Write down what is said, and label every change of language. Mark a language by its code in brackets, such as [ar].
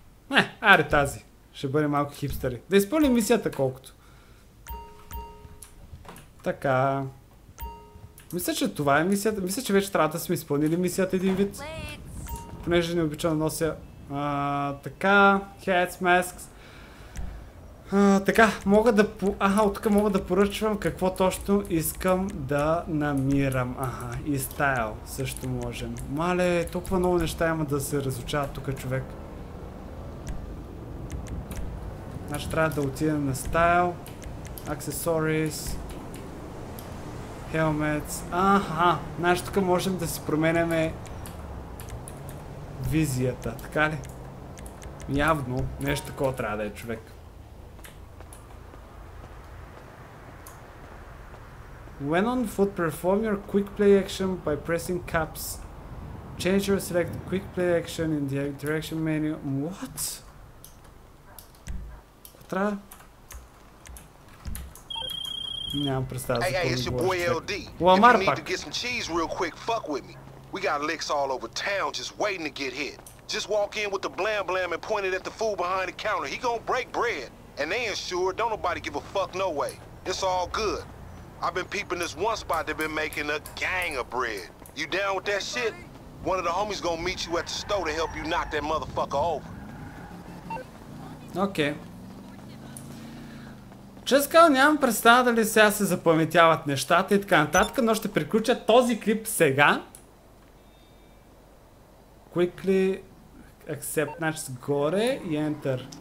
[bg] Не, аре тази. Ще бъде малко хипстъри. Да изпълним мисията колкото. Така. Мисля, че това е мисията. Мисля, че вече трябва да сме изпълнили мисията един вид. Понеже не обичам да нося... [en] така, heads, masks. [bg] Така, мога да... Аха, от тук мога да поръчвам какво точно искам да намирам. Аха, и стайл също можем. Мале, толкова много неща има да се разучава тук човек. Значи трябва да отидем на стайл. [en] Accessories. [bg] Helmets. Аха, значи тук можем да си променяме... визията, така ли? Явно нещо такова трябва да е, човек. [en] When on foot, perform your quick play action by pressing caps. Change or select quick play action in the direction menu. What? [bg] Котра? Нямам представа за какво ми говори, човек. Ламар пак. [en] If you need to get some cheese real quick, fuck with me. We got licks all over town just waiting to get hit. Just walk in with the blam blam and point it at the fool behind the counter. He gonna break bread. And they ensure don't nobody give a fuck no way. It's all good. I've been peeping this one spot that been making a gang of bread. You down with that shit? One of the homies gonna meet you at the store to help you knock that motherfucker over. Okay. [bg] Чест казвам, нямам представа дали сега се запаметяват нещата и така нататък, но ще приключа този клип сега. [en] Quickly accept, [bg] значи горе и [en] enter.